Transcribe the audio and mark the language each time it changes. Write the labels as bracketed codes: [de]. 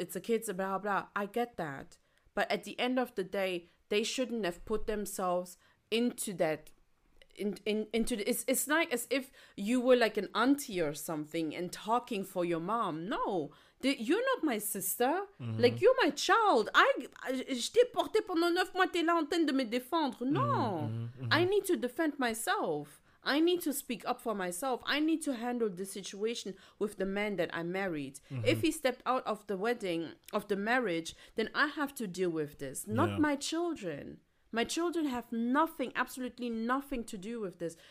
[en] It's the kids, blah, blah. I get that. But at the end of the day, they shouldn't have put themselves into that. It's like as if you were like an auntie or something and talking for your mom. No. You're not my sister. Mm-hmm. Like, you're my child. [fr] Je t'ai porté pendant 9 mois, t'es là en train de me défendre. [en] No. Mm-hmm. Mm-hmm. I need to defend myself. I need to speak up for myself. I need to handle the situation with the man that I married. Mm-hmm. If he stepped out of the wedding, of the marriage, then I have to deal with this. Not my children. My children have nothing, absolutely nothing to do with this.